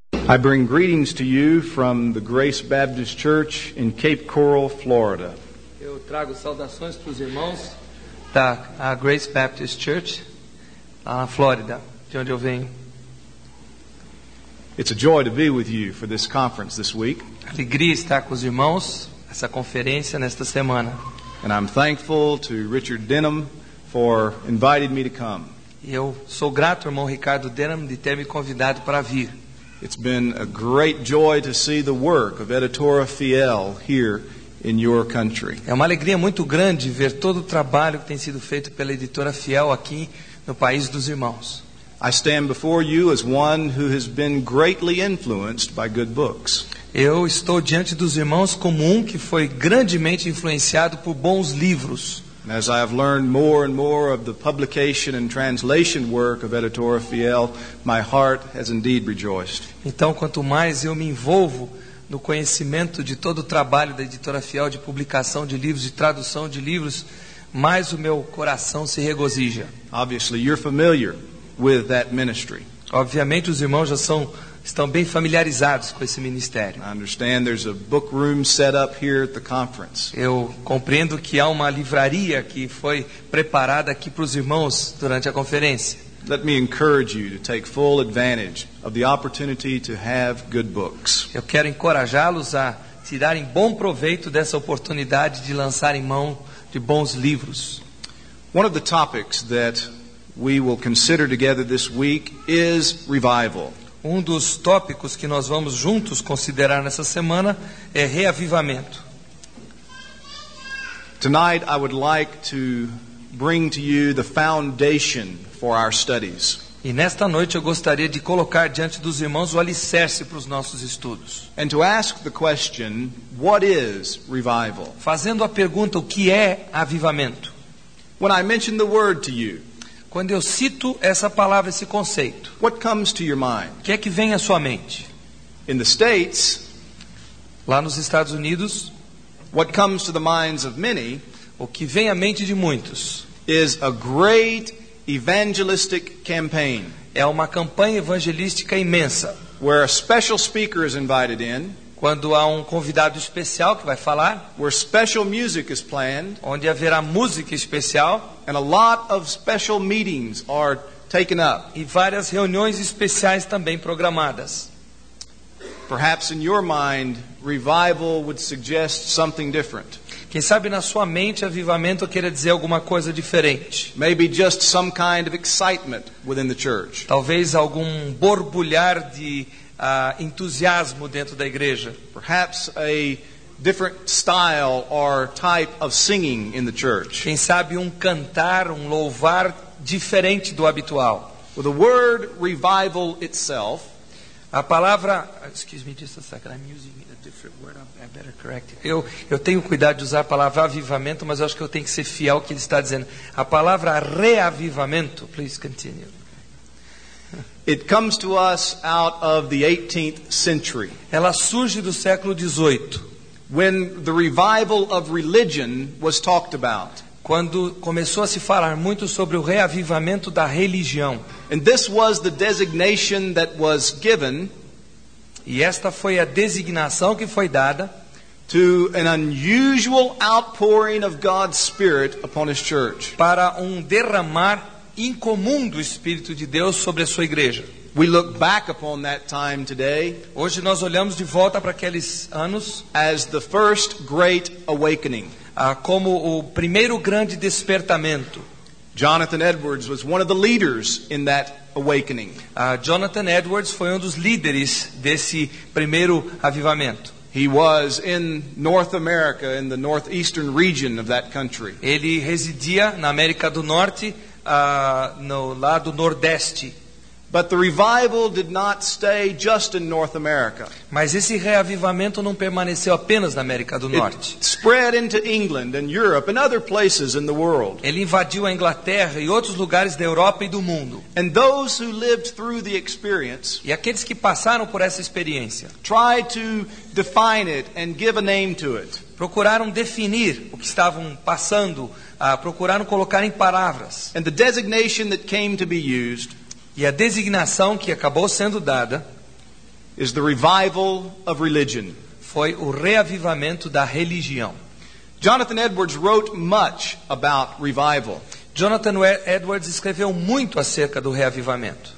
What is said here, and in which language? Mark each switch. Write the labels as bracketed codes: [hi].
[en] I bring greetings to you from the Grace Baptist Church in Cape Coral, Florida. [pt] Eu trago saudações para os irmãos da Grace Baptist Church na Flórida, de onde eu venho. [en] It's a joy to be with you for this conference this week. [pt] Alegria estar com os irmãos nessa conferência nesta semana. [en] And I'm thankful to Richard Denham for inviting me to come. [pt] Eu sou grato ao irmão Ricardo Denham de ter me convidado para vir. [en] It's been a great joy to see the work of Editora Fiel here in your country. [pt] É uma alegria muito grande ver todo o trabalho que tem sido feito pela Editora Fiel aqui no país dos irmãos. [en] I stand before you as one who has been greatly influenced by good books. [pt] Eu estou diante dos irmãos como um que foi grandemente influenciado por bons livros. [en] As I have learned more and more of the publication and translation work of Editora Fiel, my heart has indeed rejoiced. [pt] Então, quanto mais eu me envolvo no conhecimento de todo o trabalho da Editora Fiel de publicação de livros e tradução de livros, mais o meu coração se regozija. [en] Obviously, you're familiar with that ministry. [pt] Obviamente, os irmãos já estão bem familiarizados com esse ministério. [en] I understand there's a book room set up here at the conference. [pt] Eu compreendo que há uma livraria que foi preparada aqui para os irmãos durante a conferência. [en] Let me encourage you to take full advantage of the opportunity to have good books. [pt] Eu quero encorajá-los a tirarem bom proveito dessa oportunidade de lançar em mão de bons livros. [en] One of the topics that we will consider together this week is revival. [pt] Um dos tópicos que nós vamos juntos considerar nessa semana é reavivamento. [en] Tonight I would like to bring to you the foundation for our studies. [pt] E nesta noite eu gostaria de colocar diante dos irmãos o alicerce para os nossos estudos. [en] And to ask the question, what is revival? [pt] Fazendo a pergunta, o que é avivamento? [en] When I mention the word to you, [pt] quando eu cito essa palavra, esse conceito, [en] what comes to your mind? [pt] O que é que vem à sua mente? [en] In the States, [pt] lá nos Estados Unidos, [en] what comes to the minds of many, [pt] o que vem à mente de muitos, [en] is a great evangelistic campaign. [pt] É uma campanha evangelística imensa. [en] Where a special speaker is invited in, [pt] quando há um convidado especial que vai falar, [en] where special music is planned, [pt] onde haverá música especial, [en] and a lot of special meetings are taken up, [pt] e várias reuniões especiais também programadas. [en] Perhaps in your mind, revival would suggest something different. [pt] Quem sabe na sua mente avivamento queira dizer alguma coisa diferente. [en] Maybe just some kind of excitement within the church. [pt] Talvez algum borbulhar de entusiasmo dentro da igreja. [en] Perhaps a different style or type of singing in the church. [pt] Quem sabe cantar, louvar diferente do habitual. [en] Well, the word revival itself, [pt] a palavra, [en] excuse me just a second, I'm using a different word, I better correct it. [pt] Eu tenho cuidado de usar a palavra avivamento, mas eu acho que eu tenho que ser fiel ao que ele está dizendo. A palavra reavivamento, [en] please continue. It comes to us out of the 18th century. [pt] Ela surge do século 18, [en] when the revival of religion was talked about. [pt] Quando começou a se falar muito sobre o reavivamento da religião. [en] And this was the designation that was given. [pt] E esta foi a designação que foi dada [en] to an unusual outpouring of God's Spirit upon His church. [pt] Para derramar incomum do Espírito de Deus sobre a sua igreja. [en] We look back upon that time today. [pt] Hoje nós olhamos de volta para aqueles anos [en] as the first great awakening. [pt] Como o primeiro grande despertamento. [en] Jonathan Edwards was one of the leaders in that awakening. [pt] Jonathan Edwards foi dos líderes desse primeiro avivamento. [en] He was in North America, in the northeastern region of that country. [pt] Ele residia na América do Norte, no lado nordeste. [en] But the revival did not stay just in North America. [pt] Mas esse reavivamento não permaneceu apenas na América do Norte. [en] It spread into England and Europe and other places in the world. [pt] Ele invadiu a Inglaterra e outros lugares da Europa e do mundo. [en] And those who lived through the experience, [pt] e aqueles que passaram por essa experiência, [en] tried to define it and give a name to it. [pt] Procuraram definir o que estavam passando, procuraram colocar em palavras. [en] And the designation that came to be used, [pt] e a designação que acabou sendo dada, [en] is the revival of religion. [pt] Foi o reavivamento da religião. [en] Jonathan Edwards wrote much about revival. [pt] Jonathan Edwards escreveu muito acerca do reavivamento.